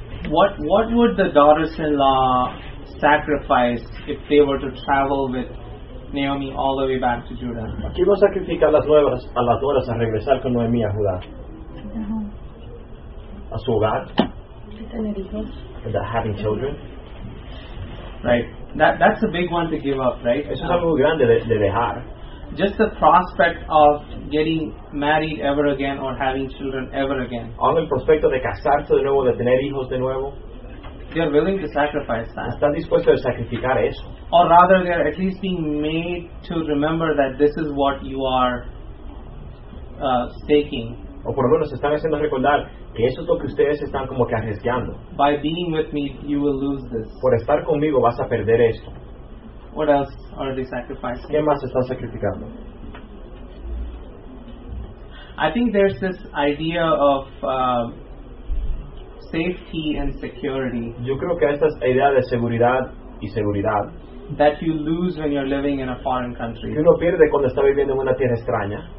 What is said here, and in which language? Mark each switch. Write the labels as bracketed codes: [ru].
[en] What would the daughters-in-law sacrifice if they were to travel with Naomi all the way back to Judah? [es] ¿Qué iba a sacrificar a las nueras a regresar con Noemí a Judá? A su hogar. [en] Having children. Right. That's a big one to give up, right? [es] Eso es algo grande de dejar. [en] Just the prospect of getting married ever again or having children ever again. [es] Aún el prospecto de casarse de nuevo, de tener hijos de nuevo. [en] They are willing to sacrifice that. [es] Están dispuestos a sacrificar eso. [en] Or rather, they are at least being made to remember that this is what you are staking. [es] O por lo menos están haciendo recordar que eso es lo que ustedes están como que arriesgando. [en] By being with me, you will lose this. [es] Por estar conmigo, vas a perder esto. [en] What else are they sacrificing? [es] ¿Qué más están sacrificando? [en] I think there's this idea of safety and security. [es] Yo creo que esta es la idea de seguridad y seguridad. [en] That you lose when you're living in a foreign country. [es] Que uno pierde cuando está viviendo en una tierra extraña.